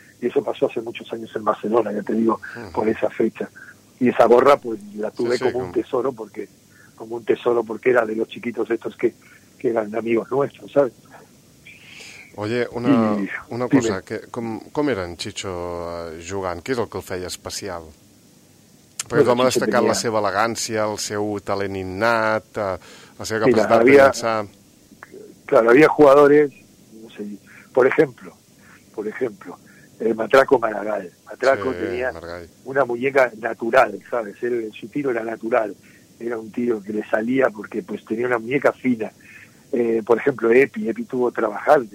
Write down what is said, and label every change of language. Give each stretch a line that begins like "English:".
Spanish: Y eso pasó hace muchos años en Barcelona, ya te digo, con esa fecha. Y esa gorra, pues, la tuve como un tesoro porque era de los chiquitos estos que eran amigos nuestros, ¿sabes?
Catalan: Oye, una cosa, ¿com eren, Chicho, jugant?
Spanish: ¿Qué es lo que
Catalan: el feia
Spanish: especial?
Catalan: Perquè tothom ha destacat la seva elegància, el seu talent innat, la seva capacitat de pensar...
Spanish: Claro, había jugadores... No sé, por ejemplo, el Matraco Maragall. Maragall tenía una muñeca natural, ¿sabes? Su tiro era natural. Era un tiro que le salía porque pues tenía una muñeca fina. Por ejemplo, Epi tuvo que trabajar.